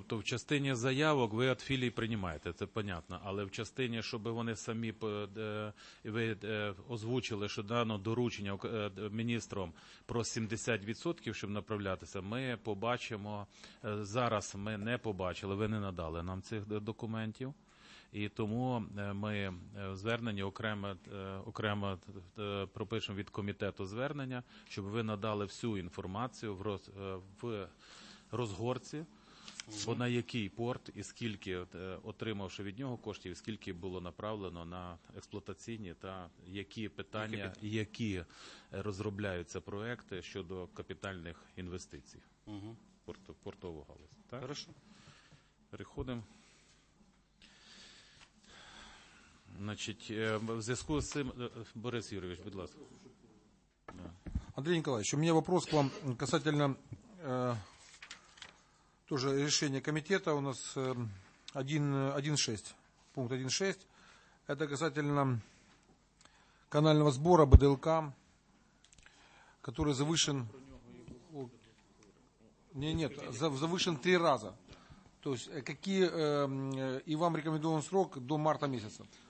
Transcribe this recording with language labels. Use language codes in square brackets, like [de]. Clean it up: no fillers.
[ru] То есть в частине заявок вы от филии принимаете, это понятно, але в частине, чтобы они сами вы озвучили, что [uk] дано доручення міністром [ru] про 70%, чтобы направлятися, [uk] мы побачимо, зараз мы не побачили, [ru] вы [uk] не надали нам цих документів. І тому ми звернення окремо пропишемо від комітету звернення, щоб ви надали всю інформацію в розгорці, бо на який порт і скільки отримавши від нього коштів, скільки було направлено на експлуатаційні та які питання, які розробляються проекти щодо капітальних інвестицій портову галузь. [ru] Так? Хорошо. [uk] Переходимо. Значить, в зв'язку з цим, Борис Юрійович, будь ласка. [ru] Андрій Николаевич, [uk] у мене [ru] вопрос к вам касательно тоже [uk] рішення комітету. [ru] У нас 1.6, пункт 1.6. Это касательно канального сбора БДЛК, который завышен. Завышен 3 раза. То есть какие и вам рекомендован срок до марта месяца.